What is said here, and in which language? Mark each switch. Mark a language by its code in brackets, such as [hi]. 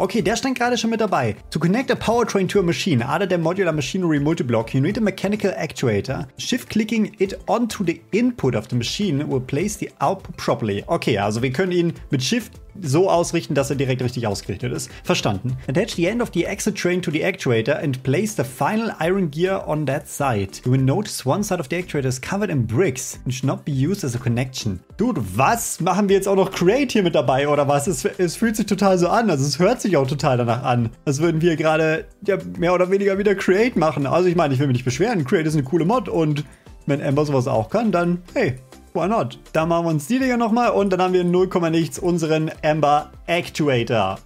[de] Okay, der stand gerade schon mit dabei. [en] To connect a powertrain to a machine, either the modular machinery multiblock, you need a mechanical actuator. Shift-clicking it onto the input of the machine will place the output properly. [de] Okay, also wir können ihn mit Shift so ausrichten, dass er direkt richtig ausgerichtet ist. Verstanden. [en] Attach the end of the exit train to the actuator and place the final iron gear on that side. You will notice one side of the actuator is covered in bricks and should not be used as a connection. [de] Dude, was? Machen wir jetzt auch noch Create hier mit dabei oder was? Es fühlt sich total so an. Also es hört sich auch total danach an. Als würden wir gerade ja mehr oder weniger wieder Create machen. Also ich meine, ich will mich nicht beschweren. Create ist eine coole Mod und wenn Ember sowas auch kann, dann hey. [en] Why not? [de] Da machen wir uns die Dinger nochmal und dann haben wir 0, nichts unseren Ember Actuator.